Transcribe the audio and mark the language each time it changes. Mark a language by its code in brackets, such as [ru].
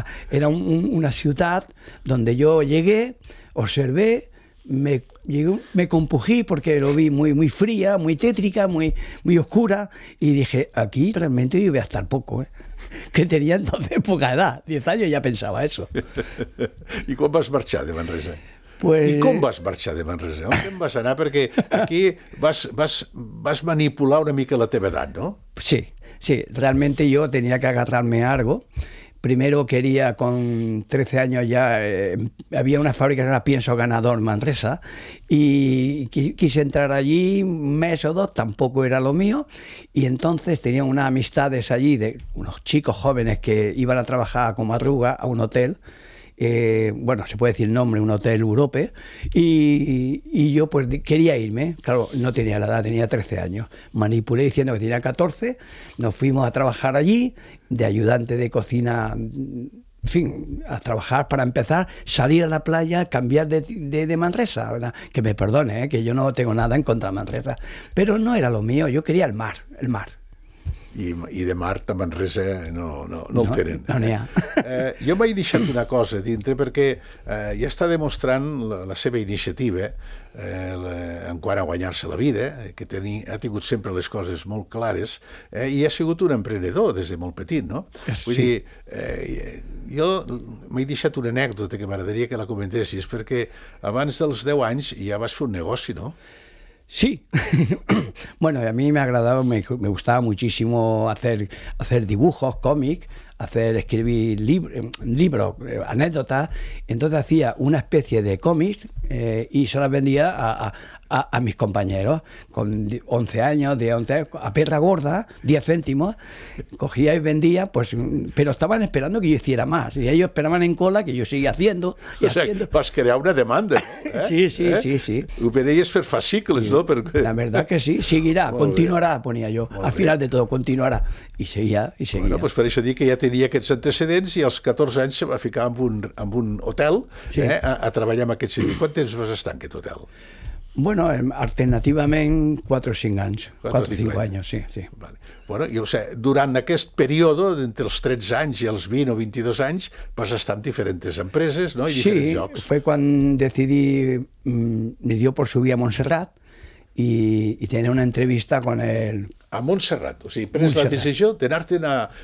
[es] Era una ciutat donde yo llegué, observé, me compují porque lo vi muy, muy fría, muy tétrica, muy, muy oscura, y dije, aquí realmente yo voy a estar poco, ¿eh? Que tenia entonces poca edad, 10 años ya pensaba eso. [ca] I quan vas marxar de Manresa? Pues... I com vas marxar de Manresa? On te'n vas anar? Perquè aquí vas manipular una mica la teva edat, no? [es] Sí, sí, realmente yo tenía que agarrarme a algo. Primero quería, con 13 años ya, había una fábrica que era Pienso Ganador Manresa, y quise entrar allí un mes o dos, tampoco era lo mío, y entonces tenía unas amistades allí, de unos chicos jóvenes que iban a trabajar como arruga a un hotel, bueno, se puede decir el nombre, un hotel Europe, y yo pues quería irme, claro, no tenía la edad, tenía 13 años, manipulé diciendo que tenía 14, nos fuimos a trabajar allí, de ayudante de cocina, en fin, a trabajar para empezar, salir a la playa, cambiar de Manresa, ¿verdad? Que me perdone, que yo no tengo nada en contra de Manresa, pero no era lo mío, yo quería el mar. [ca] I de Marta Manresa no el tenen. No n'hi ha. Jo m'he deixat una cosa dintre, perquè ja està demostrant la seva iniciativa en quant a guanyar-se la vida, que ha tingut sempre les coses molt clares, i ha sigut un emprenedor des de molt petit, no? Sí. Vull dir, jo m'he deixat una anècdota que m'agradaria que la comentessis, perquè abans dels 10 anys ja vas fer un negoci, no? [es] Sí, bueno, a mí me gustaba muchísimo hacer dibujos, cómics, escribir libros, anécdotas. Entonces hacía una especie de cómics y se las vendía a mis compañeros, con 11 años, de 11 años, a perra gorda, 10 céntimos, cogía y vendía, pues, pero estaban esperando que yo hiciera más, y ellos esperaban en cola que yo siga haciendo. Y o sea, haciendo. [ca] Vas crear una demanda. Sí. Ho veríais per fascicles, sí, ¿no? [es] La verdad que sí, seguirá, continuará, ponía yo, al final de todo, continuará, y seguía. [ca] Bueno, pues per això dic que ja tenia aquests antecedents, i als 14 anys se va ficar en un hotel, sí, a treballar amb aquests. Quant temps vas estar en aquest hotel? Bueno, alternativament 4 o 5 anys, 4 o 5 anys, sí. Vale. Bueno, i, o sigui, durant aquest període, entre els 13 anys i els 20 o 22 anys, vas estar en diferents empreses, no? I sí, diferents llocs. [es] Sí, fue quan decidí, me dio por subir a Montserrat [ca] i tenir una entrevista [es] con el... [ca] A Montserrat, o sigui, prens la decisió d'anar-te'n a...